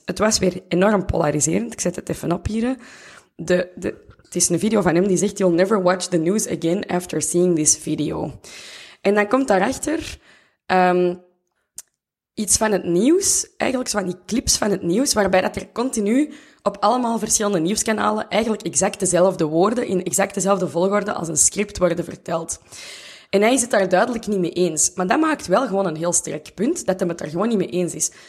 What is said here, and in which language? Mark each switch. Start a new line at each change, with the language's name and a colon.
Dutch: Het was weer enorm polariserend. Ik zet het even op hier. Het is een video van hem die zegt...
English: You'll never watch the news again after seeing this video.
Dutch: En dan komt daarachter iets van het nieuws. Eigenlijk zo van die clips van het nieuws, waarbij dat er continu op allemaal verschillende nieuwskanalen eigenlijk exact dezelfde woorden in exact dezelfde volgorde als een script worden verteld. En hij is het daar duidelijk niet mee eens. Maar dat maakt wel gewoon een heel sterk punt, dat hij het er gewoon niet mee eens is.